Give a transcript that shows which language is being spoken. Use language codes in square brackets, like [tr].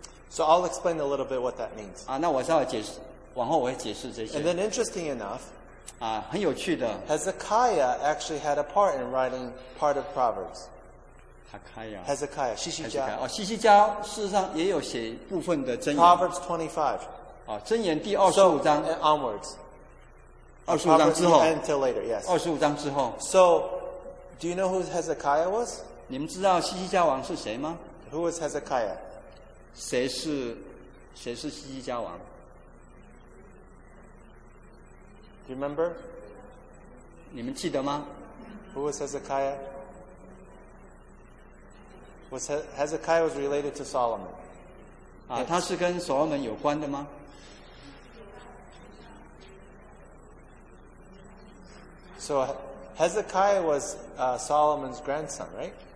[en] So I'll explain a little bit what that means [zh] 那我稍微解释往后我会解释这些。 [en] And then interesting enough, [zh] 很有趣的。 [en] Hezekiah actually had a part in writing part of Proverbs. Hezekiah, [zh] 西西家。哦，西西家事实上也有写部分的箴言。 [en] Proverbs 25. [zh] 箴言第二十五章。 [en] So, and onwards. [zh] 二十五章之后。 [en] Proverbs until later, yes. [zh] 二十五章之后。 [en] So, do you know who Hezekiah was? [zh] 你们知道西西家王是谁吗？ [en] Who was Hezekiah? [zh] 谁是西西家王？ [en] Do you remember? [zh] 你们记得吗? [en] Who was Hezekiah? Hezekiah was related to Solomon. [zh] 他是跟所罗门有关的吗? [en] So Hezekiah was Solomon's grandson, right?